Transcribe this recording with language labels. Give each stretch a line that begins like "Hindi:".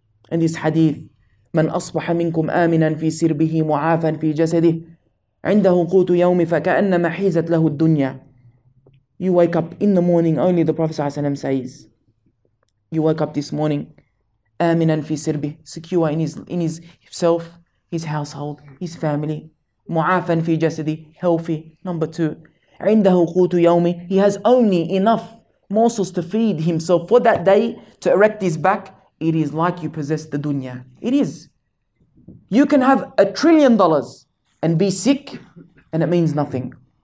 English: And this hadith,
Arabic: من أصبح منكم آمنا في سربه معافا في جسده عنده قوت يوم فكأنما حيزت له الدنيا.
English: You wake up in the morning, only the Prophet ﷺ says, you wake up this morning,
Arabic: آمِنًا فِي سِرْبِهِ,
English: secure in his himself, his household, his family.
Arabic: مُعَافًا فِي جَسَدِهِ,
English: healthy. Number two,
Arabic: عِنْدَهُ قُوتُ يَوْمِ,
English: he has only enough morsels to feed himself for that day to erect his back. It is like you possess the dunya. It is. You can have $1 trillion and be sick and it means nothing.